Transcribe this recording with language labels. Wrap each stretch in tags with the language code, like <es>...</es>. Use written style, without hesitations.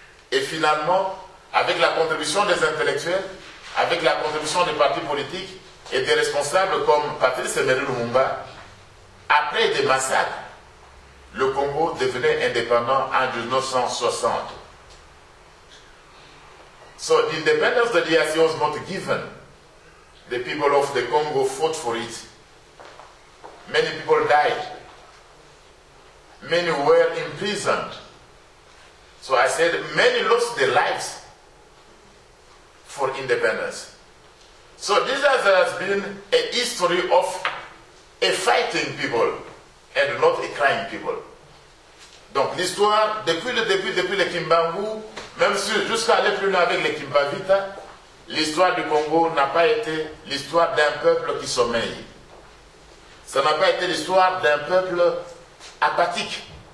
<fr>Et finalement, avec la contribution des intellectuels, avec la contribution des partis politiques, et des responsables comme Patrice Emery Lumumba, après des massacres, le Congo devenait indépendant en 1960.</fr> <en>So the independence of the DRC was not given. The people of the Congo fought for it. Many people died. Many were imprisoned. So I said many lost their lives for independence. So this has been a history of a fighting people and not a crying people.</en> <fr>Donc l'histoire, depuis les Kimbangu, même si jusqu'à aller plus loin avec les Kimbavita, l'histoire du Congo n'a pas été l'histoire d'un peuple qui sommeille. Ça n'a pas été l'histoire d'un peuple apathique.</fr>